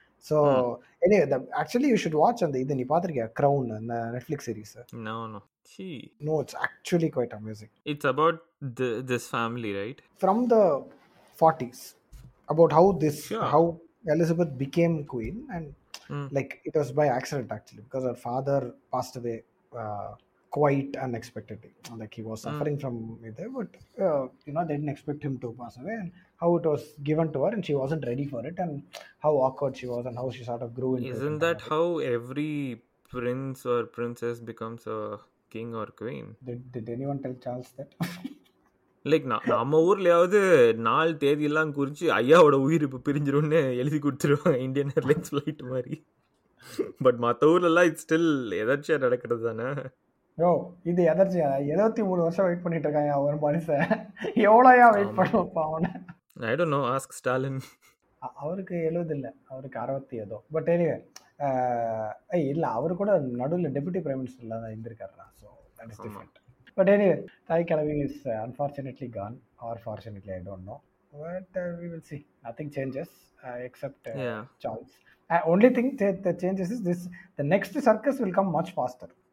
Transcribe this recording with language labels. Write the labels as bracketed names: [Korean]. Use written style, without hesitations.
[English] so anyway, the actually you should watch [Tamil] அந்த, இது நீ பார்த்துருக்கியா [English] Crown அந்த Netflix series? No no see no, it's actually quite amazing. It's about this family, right, from the 40s, about how this how Elizabeth became queen. And like it was by accident actually, because her father passed away quite unexpectedly, like he was suffering from it, but you know, they didn't expect him to pass away, and how it was given to her and she wasn't ready for it, and how awkward she was, and how she sort of grew into isn't Isn't that how every prince or princess becomes a king or queen? Did anyone tell Charles that? [Tamil] Like நான் நம்ம ஊர்லயாவது நாலு தேதி எல்லாம் குறிச்சு ஐயாவோட உயிர் இப்ப பிரிஞ்சிரும்னு எழுதி கொடுத்துருவாங்க இந்தியன் ஏர்லைன்ஸ் ஃபிளைட் மாதிரி. பட் மத்த ஊர்ல எல்லாம் [English] it still [Tamil] எதர்ச்சியா நடக்கிறது தானே? யோ, இது எதர்ச்சியா? 73 வருஷம் வெயிட் பண்ணிட்டு இருக்காங்க ஒரு மனுஷன், எவ்வளவு வெயிட் பண்ணுவோப்பா அவனை? [English] I don't know, ask Stalin. [Tamil] அவருக்கு 70 இல்ல, அவருக்கு 60 ஏதோ. [English] but anyway, I [Tamil] இல்ல, அவரு கூட நடுவில் டெபுட்டி பிரைம் மினிஸ்டர்ல தான் இருந்திருக்காரு. [English] So that is different. But anyway, Thai Kalavi is unfortunately gone, or fortunately, I don't know. But we will see. Nothing changes except Charles. Only thing that changes is this, the next circus will come much faster.